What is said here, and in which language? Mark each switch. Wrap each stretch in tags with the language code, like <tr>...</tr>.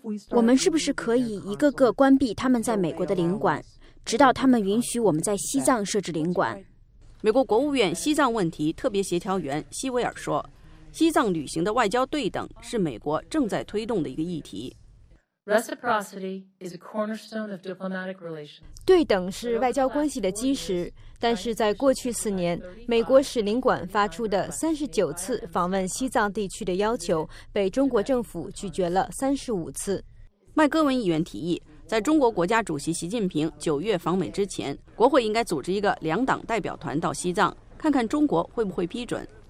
<zh>我们是不是可以一个个关闭他们在美国的领馆，直到他们允许我们在西藏设置领馆？美国国务院西藏问题特别协调员希维尔说，西藏旅行的外交对等是美国正在推动的一个议题。</zh> <en>Reciprocity is a cornerstone of diplomatic relations.</en> <zh>对等是外交关系的基石，但是在过去四年，美国使领馆发出的39次访问西藏地区的要求，被中国政府拒绝了35次。麦戈文议员提议，在中国国家主席习近平9月访美之前，国会应该组织一个两党代表团到西藏，看看中国会不会批准。</zh>